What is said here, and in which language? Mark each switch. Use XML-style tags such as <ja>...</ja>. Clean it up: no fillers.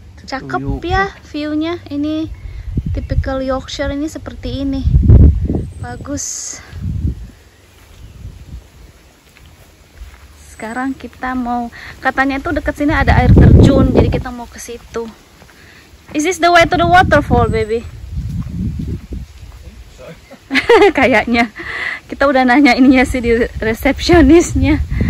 <id>Cakep ya view-nya. Ini typical Yorkshire, ini seperti ini. Bagus. Sekarang kita mau, katanya itu dekat sini ada air terjun, jadi kita mau ke situ.</id> <en>Is this the way to the waterfall, baby?</en> <id>Kayaknya. Kita udah nanya ininya sih di resepsionisnya.</id>